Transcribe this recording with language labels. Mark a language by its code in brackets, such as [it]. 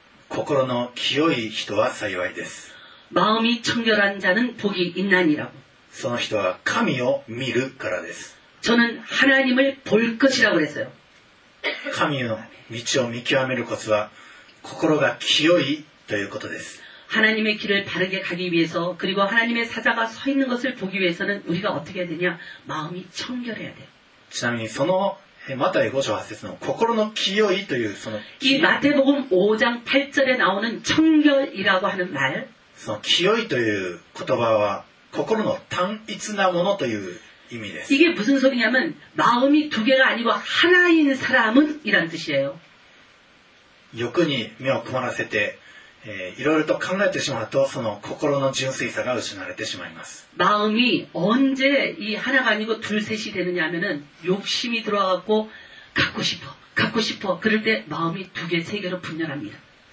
[ja] 心の清い人は幸いです [ko] 마음이청결한자는복이있나니라고 [ja] その人は神を見るからです [ko] 저는하나님을볼것이라고그랬어요 [ja] 神の道を見極めるコツは心が清いということです [ko] 하나님의길을바르게가기위해서그리고하나님의사자가서있는것을보기위해서는우리가어떻게해야되냐마음이청결해야돼요 [ja] ちなみにそのマタイ5章8節の心の清いというその [ko] 이마태복음5장8절에나오는청결이라고하는말 [ja] その清いという言葉は心の単一なものという意味です [ko] 이게무슨소리냐면마음이두개가아니고하나인사람은이란뜻이에요 [ja] 欲に目を困らせていろいろと考えてしまうとその心の純粋さが失われてしまいます [ko] 마음이언제이하나가아니고둘셋이되느냐하면은욕심이들어와갖고갖고싶어갖고싶어그럴때마음이두개세개로분열합니다